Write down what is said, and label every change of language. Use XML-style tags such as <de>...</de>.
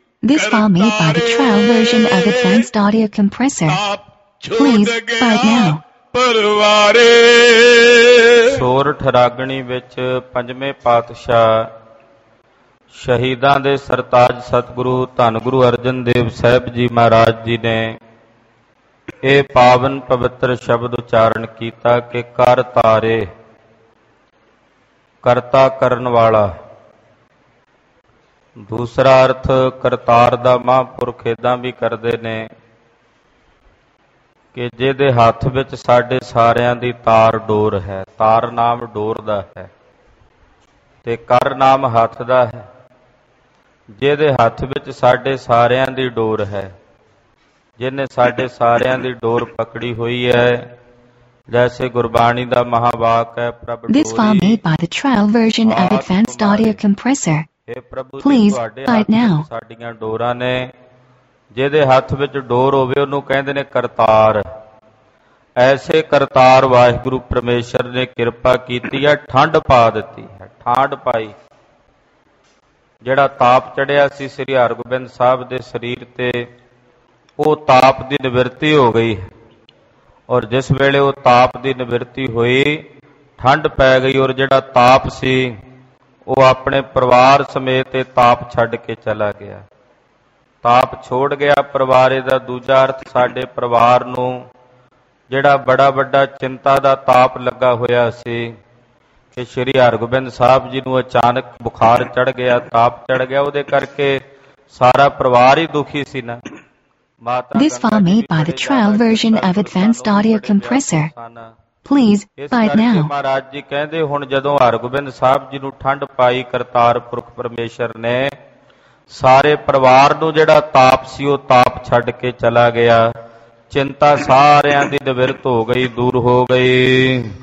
<en>This file made by the trial version of Advanced Audio Compressor. Please, bite now.</en> <pa>ਪਰਵਾਰੇ ਸੋਰਠ ਰਾਗਣੀ ਵਿੱਚ ਪੰਜਵੇਂ ਪਾਤਸ਼ਾਹ ਸ਼ਹੀਦਾਂ ਦੇ ਸਰਤਾਜ ਸਤਿਗੁਰੂ ਧੰਨ ਗੁਰੂ ਅਰਜਨ ਦੇਵ ਸਾਹਿਬ ਜੀ ਮਹਾਰਾਜ ਜੀ ਨੇ ਇਹ ਪਾਵਨ ਪਵਿੱਤਰ ਸ਼ਬਦ ਉਚਾਰਨ ਕੀਤਾ ਕਿ ਕਰ ਤਾਰੇ, ਕਰਤਾ ਕਰਨ ਵਾਲਾ। ਦੂਸਰਾ ਅਰਥ ਕਰਤਾਰ ਦਾ ਮਹਾਂਪੁਰਖ ਇੱਦਾਂ ਵੀ ਕਰਦੇ ਨੇ ਕਿ ਜਿਹਦੇ ਹੱਥ ਵਿੱਚ ਸਾਡੇ ਸਾਰਿਆਂ ਦੀ ਤਾਰ ਡੋਰ ਹੈ। ਤਾਰ ਨਾਮ ਡੋਰ ਦਾ ਹੈ ਤੇ ਕਰ ਨਾਮ ਹੱਥ ਦਾ ਹੈ। ਜਿਹਦੇ ਹੱਥ ਵਿੱਚ ਸਾਡੇ ਸਾਰਿਆਂ ਦੀ ਡੋਰ ਹੈ, ਜਿਹਨੇ ਸਾਡੇ ਸਾਰਿਆਂ ਦੀ ਡੋਰ ਪਕੜੀ ਹੋਈ ਹੈ, ਜੈਸੇ ਗੁਰਬਾਣੀ ਦਾ ਮਹਾਵਾਕ ਹੈ ਪ੍ਰਭ ਦੀ।</pa> <en>This file made by the trial version of Advanced Audio Compressor.</en> <pa>ਹੇ ਪ੍ਰਭੂ ਜੀ, ਤੁਹਾਡੇ ਹੱਥ ਵਿੱਚ ਸਾਡੀਆਂ ਡੋਰਾਂ ਨੇ। ਜਿਹਦੇ ਹੱਥ ਵਿੱਚ ਡੋਰ ਹੋਵੇ ਉਹਨੂੰ ਕਹਿੰਦੇ ਨੇ ਕਰਤਾਰ। ਐਸੇ ਕਰਤਾਰ ਵਾਹਿਗੁਰੂ ਪਰਮੇਸ਼ਰ ਨੇ ਕਿਰਪਾ ਕੀਤੀ ਹੈ, ਠੰਡ ਪਾ ਦਿੱਤੀ ਹੈ, ਠੰਡ ਪਾਈ। ਜਿਹੜਾ ਤਾਪ ਚੜਿਆ ਸੀ ਸ੍ਰੀ ਹਰਗੋਬਿੰਦ ਸਾਹਿਬ ਦੇ ਸਰੀਰ ਤੇ, ਉਹ ਤਾਪ ਦੀ ਨਿਵਿਰਤੀ ਹੋ ਗਈ ਹੈ। ਔਰ ਜਿਸ ਵੇਲੇ ਉਹ ਤਾਪ ਦੀ ਨਿਵਿਰਤੀ ਹੋਈ, ਠੰਡ ਪੈ ਗਈ, ਔਰ ਜਿਹੜਾ ਤਾਪ ਸੀ ਉਹ ਆਪਣੇ ਪਰਿਵਾਰ ਸਮੇਤ ਤਾਪ ਛੱਡ ਕੇ ਚਲਾ ਗਿਆ। ਤਾਪ ਛੋੜ ਗਿਆ ਪਰਿਵਾਰੇ ਦਾ। ਦੂਜਾ ਅਰਥ ਸਾਡੇ ਪਰਿਵਾਰ ਨੂੰ ਜਿਹੜਾ ਬੜਾ ਵੱਡਾ ਚਿੰਤਾ ਦਾ ਤਾਪ ਲੱਗਾ ਹੋਇਆ ਸੀ ਕਿ ਸ੍ਰੀ ਹਰਗੋਬਿੰਦ ਸਾਹਿਬ ਜੀ ਨੂੰ ਅਚਾਨਕ ਬੁਖਾਰ ਚੜ ਗਿਆ, ਤਾਪ ਚੜ ਗਿਆ, ਉਹਦੇ ਕਰਕੇ ਸਾਰਾ ਪਰਿਵਾਰ ਹੀ ਦੁਖੀ ਸੀ ਨਾ। ਮਾਤਾ</pa> <en>This file made by the trial version of Advanced Audio Compressor. Please buy it now.</en> <pa>Maharaj ji ਕਹਿੰਦੇ ਹੁਣ ਜਦੋਂ ਹਰਗੋਬਿੰਦ ਸਾਹਿਬ ਜੀ ਨੂੰ ਠੰਡ ਪਾਈ ਕਰਤਾਰ ਪੁਰਖ ਪਰਮੇਸ਼ਰ ਨੇ, ਸਾਰੇ ਪਰਿਵਾਰ ਨੂੰ ਜਿਹੜਾ ਤਾਪ ਸੀ ਉਹ ਤਾਪ ਛੱਡ ਕੇ ਚਲਾ ਗਿਆ, ਚਿੰਤਾ ਸਾਰਿਆਂ ਦੀ ਨਿਵਿਰਤ ਹੋ ਗਈ, ਦੂਰ ਹੋ ਗਈ।</pa>